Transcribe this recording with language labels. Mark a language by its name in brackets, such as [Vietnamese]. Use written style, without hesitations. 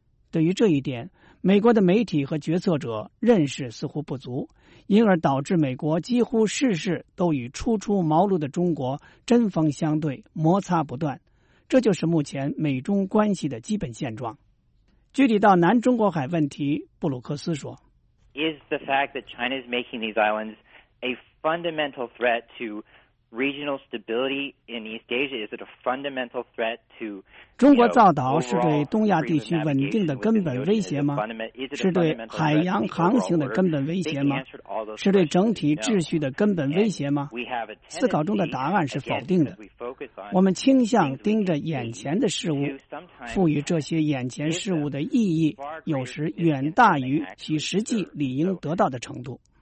[Chinese] 对于这一点，美国的媒体和决策者认识似乎不足，因而导致美国几乎事事都与初出茅庐的中国针锋相对，摩擦不断。这就是目前美中关系的基本现状。具体到南中国海问题，布鲁克斯说， [English] Is the fact that China is making these islands a fundamental threat to regional stability in East Asia? Is it a fundamental threat to [Chinese] 中国造岛是对东亚地区稳定的根本威胁吗？是对海洋航行的根本威胁吗？是对整体秩序的根本威胁吗？思考中的答案是否定的。我们倾向盯着眼前的事物，赋予这些眼前事物的意义有时远大于其实际理应得到的程度。